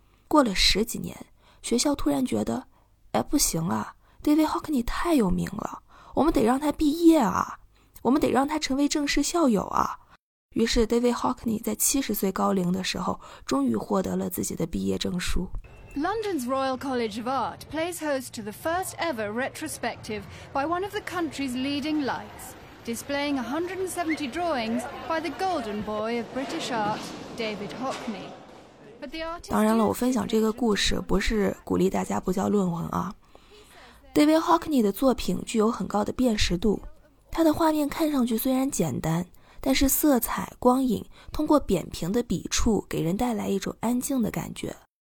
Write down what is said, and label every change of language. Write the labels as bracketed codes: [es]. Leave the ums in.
[zh] 过了十几年，学校突然觉得，哎，不行啊，David Hockney 太有名了，我们得让他毕业啊，我们得让他成为正式校友啊。于是，David Hockney 在七十岁高龄的时候，终于获得了自己的毕业证书。 [en] London's Royal College of Art plays host to the first ever retrospective by one of the country's leading lights, displaying 170 drawings by the golden boy of British art, David Hockney. [zh] 当然了，我分享这个故事不是鼓励大家不交论文啊。 David Hockney 的作品具有很高的辨识度，他的画面看上去虽然简单，但是色彩、光影通过扁平的笔触给人带来一种安静的感觉。